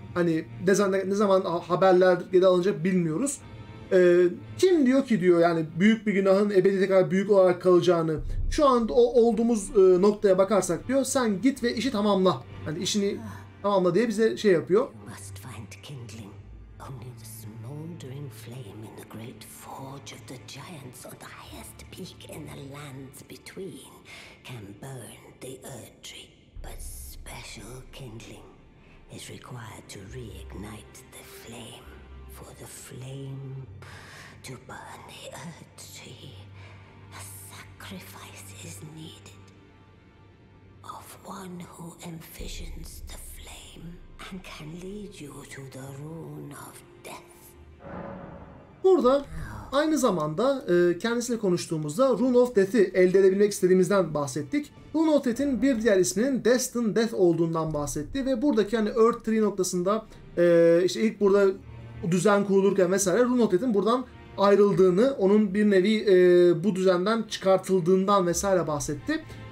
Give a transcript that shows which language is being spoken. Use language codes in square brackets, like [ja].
[tr] Hani ne zaman haberler geri alınacak bilmiyoruz. Kim diyor ki diyor yani büyük bir günahın ebedi tekrar büyük olarak kalacağını, şu anda o olduğumuz noktaya bakarsak diyor, sen git ve işi tamamla. Hani işini tamamla diye bize şey yapıyor. [en] You must find kindling. Only the smoldering flame in the great forge of the giants on the highest peak in the lands between can burn the earth tree. But special kindling is required to reignite the flame. For the flame to burn the earth tree, a sacrifice is needed. Of one who envisions the flame and can lead you to the rune of death. [tr] Burada aynı zamanda kendisiyle konuştuğumuzda Rune of Death'i elde edebilmek istediğimizden bahsettik. Rune of Death'in bir diğer isminin Destined Death olduğundan bahsetti ve buradaki hani Earth Tree noktasında işte ilk burada düzen kurulurken vesaire Rune of Death'in buradan ayrıldığını, onun bir nevi bu düzenden çıkartıldığından vesaire bahsetti.